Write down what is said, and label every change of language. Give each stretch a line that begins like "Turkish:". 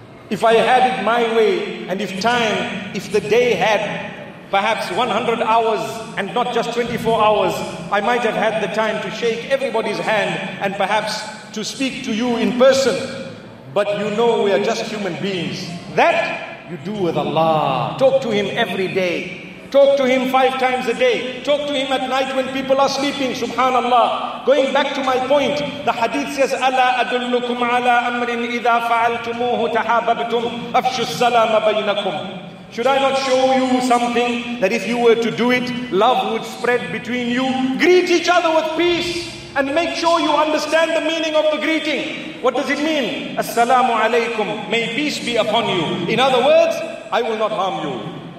English: If I had it my way, and if time, if the day had perhaps 100 hours and not just 24 hours, I might have had the time to shake everybody's hand and perhaps to speak to you in person. But you know we are just human beings. That you do with Allah. Talk to Him every day. Talk to Him 5 times a day. Talk to Him at night when people are sleeping. Subhanallah. Going back to my point, the hadith says,
Arabic: أَلَا أَدُلُّكُمْ عَلَىٰ أَمْرٍ إِذَا فَعَلْتُمُوهُ تَحَابَبْتُمْ أَفْشُ السَّلَامَ بَيْنَكُمْ.
English: Should I not show you something that if you were to do it, love would spread between you? Greet each other with peace and make sure you understand the meaning of the greeting. What does it mean? Assalamu alaikum. May peace be upon you. In other words, I will not harm you.